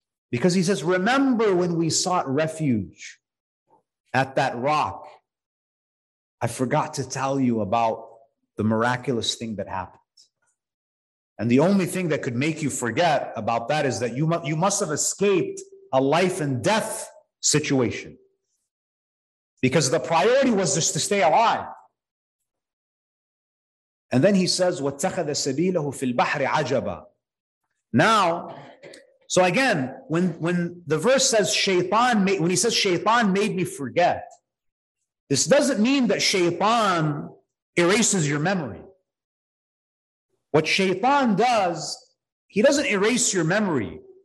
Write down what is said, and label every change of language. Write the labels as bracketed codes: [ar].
[en] Because he says, remember when we sought refuge at that rock, I forgot to tell you about the miraculous thing that happened. And the only thing that could make you forget about that is that you must have escaped a life and death situation. Because the priority was just to stay alive. [ar] And then he says, وَاتَّخَذَ سَبِيلَهُ فِي الْبَحْرِ عَجَبًا. [en] Now, so again, when the verse says shaitan, when he says shaitan made me forget, this doesn't mean that shaitan erases your memory. What shaitan does, he doesn't erase your memory.